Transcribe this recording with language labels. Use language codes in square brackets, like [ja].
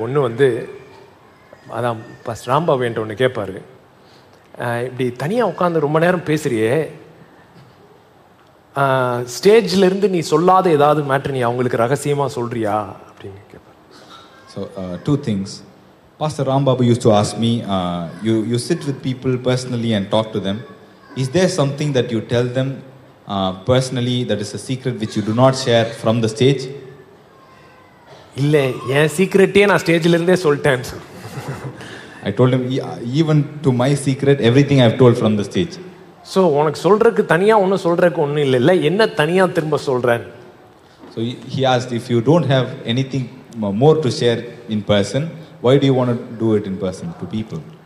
[ta] ஒன்று வந்து அதான் பஸ் ராம்பாபு என்ற ஒன்று கேட்பாரு, இப்படி தனியாக உட்காந்து ரொம்ப நேரம் பேசுறியே, ஸ்டேஜிலிருந்து நீ சொல்லாத ஏதாவது மேட்ரு நீ அவங்களுக்கு ரகசியமாக சொல்றியா அப்படின்னு கேட்பாரு. [en] So two things. Pastor Rambabu used to ask me, you sit with people personally and talk to them. Is there something that you tell them personally that is a secret which you do not share from the stage? [ta] இல்லை, என் சீக்ரெட்டே நான் ஸ்டேஜிலிருந்தே சொல்லிட்டேன். [en] I told him, even to my secret, everything I have told from the stage. [ta] So, உனக்கு சொல்றதுக்கு தனியா ஒன்னு சொல்றதுக்கு ஒன்னு இல்லை, என்ன தனியா திரும்ப சொல்றேன்? [en] So, he asked, if you don't have anything more to share in person, why do you want to do it in person to people?